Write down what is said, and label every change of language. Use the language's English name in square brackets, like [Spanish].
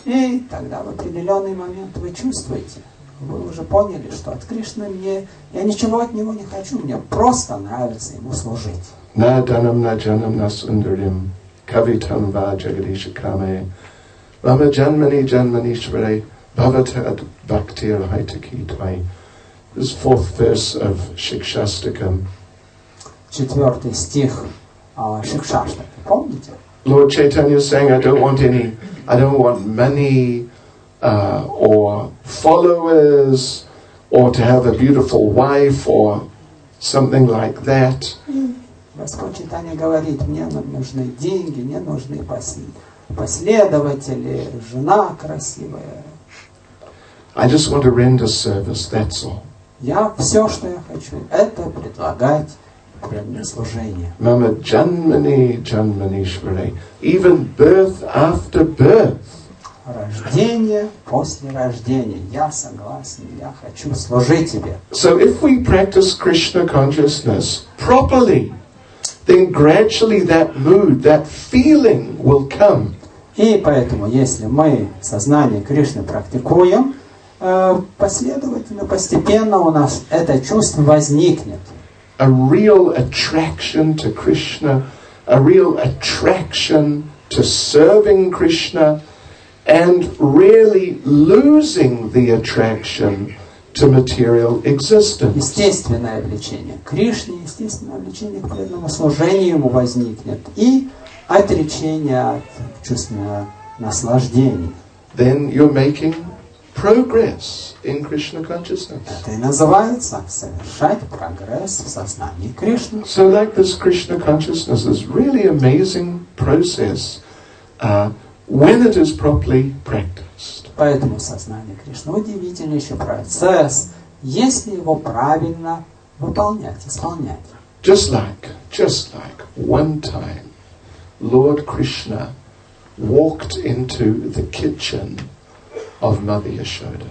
[Russian] И тогда в определенный момент вы чувствуете, вы уже поняли, что от Кришны мне, я ничего от него не хочу, мне просто нравится ему служить. [Sanskrit] На данам на джанам на сундарим, кавитам ва джагадиша каме, вама джанмани джанмани шварай, бхавата ад бхактир хайтаки твай. [English] This is fourth verse of Shikshastakam. [Russian] Четвертый стих Шикшаштака. Помните? [English] Lord Chaitanya is saying, I don't want money or followers or to have a beautiful wife or something like that. [Russian] Господь Чайтанья говорит, мне нужны деньги, мне нужны последователи, жена красивая. [English] I just want to render service, that's all. [Russian] Я все, что я хочу, это предлагать преданное служение. [Sanskrit] Мама, джанмани, джанмани швари. [English] Even birth after birth. [Russian] Рождение после рождения. Я согласен, я хочу служить тебе. [English] So if we practice Krishna consciousness properly, then gradually that mood, that feeling will come. [Russian] И поэтому, если мы сознание Кришны практикуем, последовательно, постепенно у нас это чувство возникнет. [English] A real attraction to Krishna, a real attraction to serving Krishna, and really losing the attraction to material existence. [Russian] Естественное влечение к Кришне, естественное влечение к преданному служению ему возникнет, и отречение от чувственного наслаждения. [English] Then you're making progress in Krishna consciousness. [Russian] Это и называется совершать прогресс в сознании Кришны. [English] So like this Krishna consciousness is really amazing process when it is properly practiced. [Russian] Поэтому сознание Кришны удивительный еще процесс, если его правильно выполнять, исполнять. [English] Just like one time Lord Krishna walked into the kitchen of Mother Yashoda.